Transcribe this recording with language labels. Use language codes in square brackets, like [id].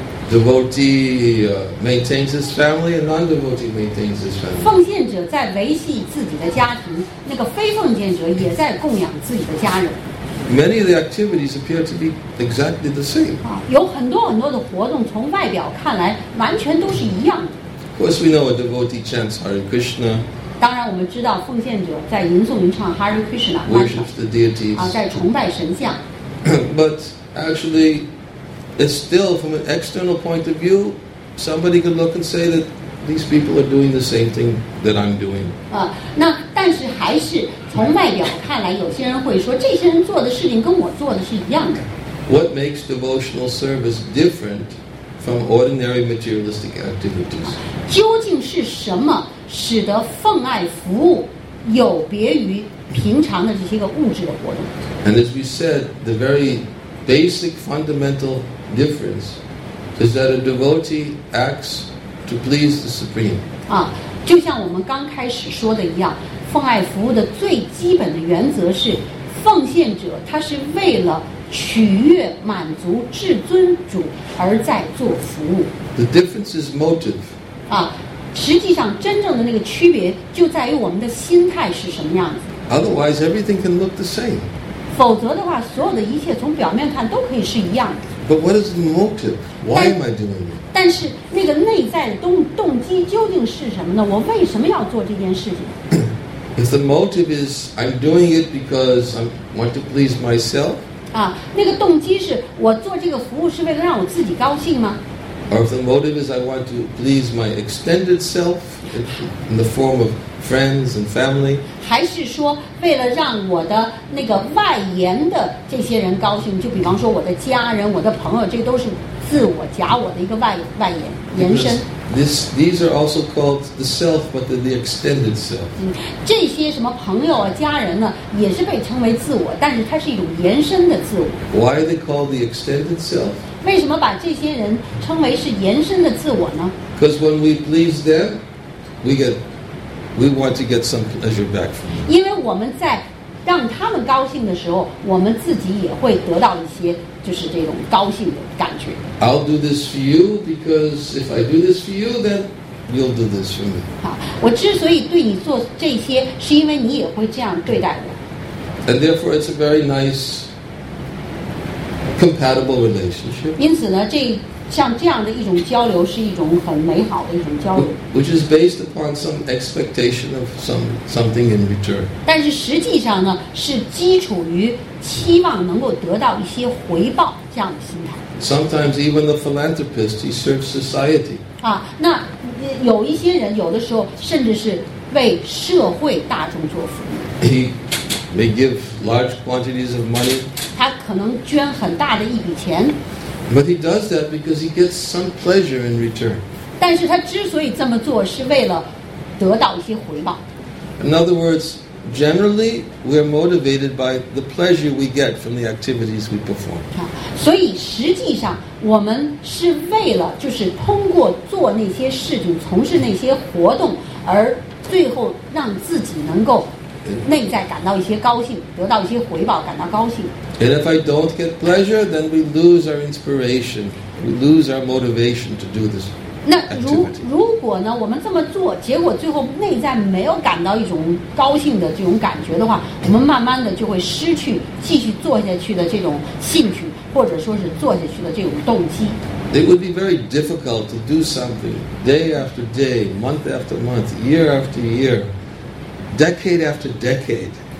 [en] Devotee maintains his family and non-devotee maintains his family. [zh] 奉献者在维系自己的家庭，那个非奉献者也在供养自己的家人。 [en] Many of the activities appear to be exactly the same. [zh] 有很多很多的活动，从外表看来完全都是一样的。 [en] course, we know a devotee chants Hare Krishna. [zh] 当然，我们知道奉献者在吟诵吟唱 Hare Krishna， [en] worships the deities， [zh] 在崇拜神像。 [en] But actually, it's still from an external point of view, somebody could look and say that these people are doing the same thing that I'm doing. [zh] 那但是还是从外表看来，有些人会说这些人做的事情跟我做的是一样的。 [en] What makes devotional service different from ordinary materialistic activities? [zh] 究竟是什么使得奉爱服务有别于平常的这些个物质的活动？ [en] And as we said, the very basic fundamental difference is that a devotee acts to please the Supreme. [zh] 就像我们刚开始说的一样，奉爱服务的最基本的原则是，奉献者他是为了取悦满足至尊主而在做服务。 [en] The difference is motive. [zh] 实际上真正的那个区别就在于我们的心态是什么样子。 [en] Otherwise, everything can look the same. [zh] 否则的话，所有的一切从表面看都可以是一样的。 [en] But what is the motive? Why am I doing it? [zh] 但是那个内在的动机究竟是什么呢？我为什么要做这件事情？ [en] If the motive is I'm doing it because I want to please myself. [zh] 那个动机是我做这个服务是为了让我自己高兴吗？ [en] Or if the motive is I want to please my extended self in the form of friends and family. [zh] 还是说为了让我的那个外延的这些人高兴，就比方说我的家人、我的朋友，这个都是自我、假我的一个外延伸。 [en] These are also called the self, but the extended self. [zh] 这些什么朋友啊、家人呢，也是被称为自我，但是它是一种延伸的自我。 [en] Why are they called the extended self? [zh] 为什么把这些人称为是延伸的自我呢？ [en] Because when we please them, we want to get some pleasure back from them. [zh] 因为我们在让他们高兴的时候，我们自己也会得到一些就是这种高兴的感觉。 [en] I'll do this for you because if I do this for you, then you'll do this for me. [zh] 我之所以对你做这些，是因为你也会这样对待我。 [en] And therefore, it's a very nice, compatible relationship. [zh] 因此呢，像这样的一种交流是一种很美好的一种交流。 [en] Which is based upon some expectation of something in return. [zh] 但是实际上呢，是基础于期望能够得到一些回报这样的心态。 [en] Sometimes even the philanthropist, he serves society. [zh] 那有一些人有的时候甚至是为社会大众做服务。 [en] He may give large quantities of money. [zh] 他可能捐很大的一笔钱。 [en] But he does that because he gets some pleasure in return. [zh] 但是他之所以这么做是为了得到一些回报。 [en] In other words, generally, we are motivated by the pleasure we get from the activities we perform. [zh] 所以实际上我们是为了就是通过做那些事情从事那些活动而最后让自己能够内在感到一些高兴，得到一些回报，感到高兴。 [en] And if I don't get pleasure, then we lose our inspiration. We lose our motivation to do this activity. [zh] 那如果呢，我们这么做，结果最后内在没有感到一种高兴的这种感觉的话，我们慢慢的就会失去继续做下去的这种兴趣，或者说是做下去的这种动机。 [en] It would be very difficult to do something day after day, month after month, year after year, decade after decade.